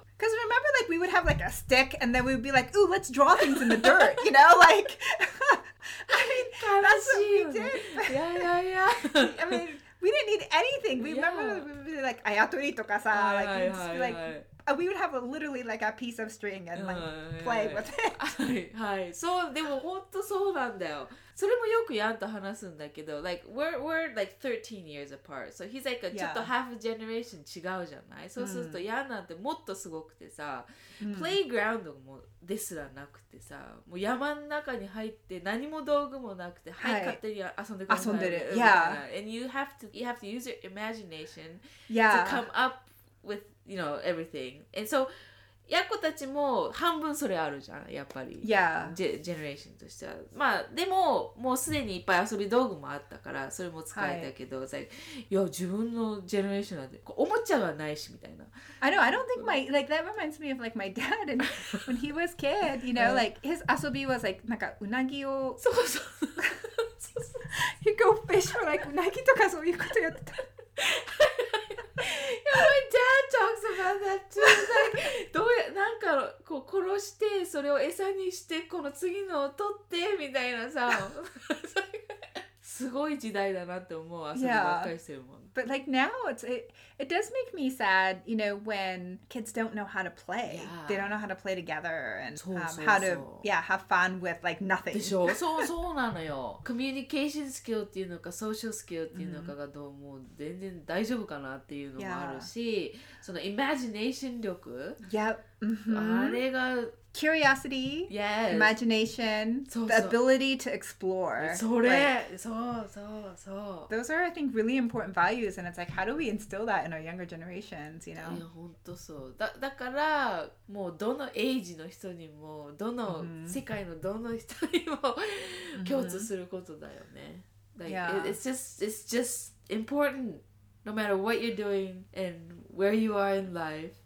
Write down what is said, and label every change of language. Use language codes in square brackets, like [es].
[en] Because remember, like, we would have like a stick and then we would be like, ooh, let's draw things in the dirt, you know? Like, I mean, that's what we did. Yeah. I mean, we didn't need anything. We remember we would be like, ayatori to kasa, like, we'd just be like, we would have a, literally like a piece of string and like play with it. [ja] はい、そう、でも本当そうなんだよ。それもよくやんと話すんだけど、 [en] like we're like 13 years apart. So he's like [ja] ちょっと [en] half a generation [ja] 違うじゃない？そうするとやんなんてもっとすごくてさ、playground もですらなくてさ、もう山の中に入って何も道具もなくて、はい、勝手に遊んでくる。遊んでる。 [en] And you have to use your imagination to come up with. You know, everything. And so, [ja] やっこたちも半分それあるじゃん、やっぱり。 [en] Yeah. [ja] ジェネレーションとしては。まあ、でも、もうすでにいっぱい遊び道具もあったから、それも使えたけど、はい、like, いや、自分のジェネレーションなんて、おもちゃがないし、みたいな。 [en] I know, I don't think my, like, that reminds me of, like, my dad, and when he was kid, you know, like, his 遊び was, like, なんか、うなぎを。 [ja] そう。 [en] He'd go fish for, like, [ja] うなぎとかそういうことやってた。 [en] Yeah, my dad talks about that too. It's like, [ja] どうや、なんかこう殺してそれを餌にしてこの次のを取ってみたいなさ。すごい時代だなって思う。遊びばっかりしてるもん。 [en] But like now, it does make me sad, you know, when kids don't know how to play. Yeah. They don't know how to play together and [ja] そう。 [en] how to, yeah, have fun with like nothing. [ja] でしょ？そうなのよ。Communication skill っていうのか、social skill っていうのかがどうも全然大丈夫かなっていうのもあるし、その imagination 力。 [en] Yep. [ja] あれが。 [en] Curiosity, yes. Imagination, so. The ability to explore. [ja] それ、そう。 [en] Those are, I think, really important values, and it's like, how do we instill that in our younger generations, you know? [ja] いや、本当そう。だから、もうどのエイジの人にも、どの世界のどの人にも共通することだよね。 Mm-hmm. [en] It's just important no matter what you're doing and where you are in life.